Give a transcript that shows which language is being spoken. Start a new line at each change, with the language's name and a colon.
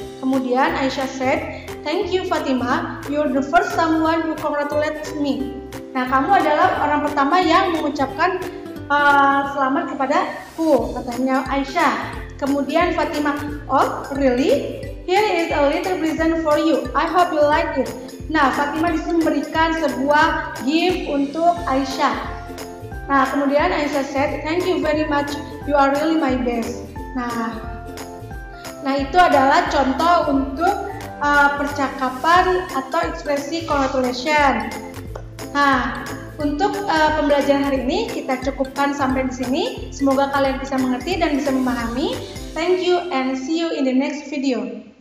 English: Kemudian Aisyah said, thank you Fatima, you're the first someone who congratulates me.
Indonesian: Nah, kamu adalah orang pertama yang mengucapkan selamat kepada ku, katanya Aisyah. Kemudian
English: Fatima, oh really? Here is a little present for you. I hope you like it.
Indonesian: Nah, Fatima di sini memberikan sebuah gift untuk Aisyah. Nah, kemudian
English: Aisyah said, thank you very much. You are really my best.
Indonesian: Nah itu adalah contoh untuk percakapan atau ekspresi congratulations. Nah, untuk pembelajaran hari ini kita cukupkan sampai di sini. Semoga kalian bisa mengerti dan bisa memahami.
English: Thank you and see you in the next video.